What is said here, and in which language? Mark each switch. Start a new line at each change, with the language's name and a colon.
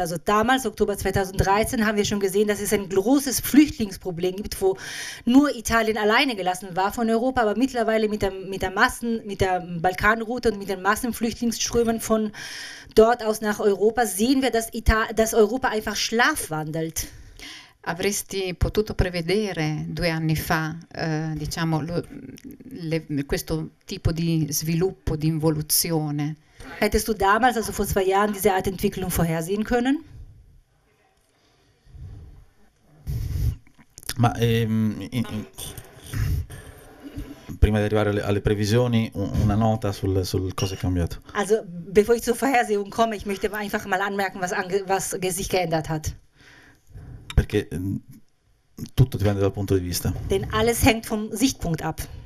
German: Also damals, Oktober 2013, haben wir schon gesehen, dass es ein großes Flüchtlingsproblem gibt, wo nur Italien alleine gelassen war von Europa. Aber mittlerweile mit der Balkan Route und mit den Massenflüchtlingsströmen von dort aus nach Europa sehen wir, dass Europa einfach schlafwandelt.
Italian: Avresti potuto prevedere due anni fa, diciamo, questo tipo di sviluppo, di involuzione?
German: Hättest du damals, also vor zwei Jahren, diese Art Entwicklung vorhersehen können?
Italian: Ma prima di arrivare alle previsioni, una nota sul cosa è cambiato.
German: Also, bevor ich zur Vorhersehung komme, ich möchte einfach mal anmerken, was sich geändert hat.
Italian: Perché tutto dipende dal punto di vista.
German: Denn alles hängt vom Sichtpunkt ab.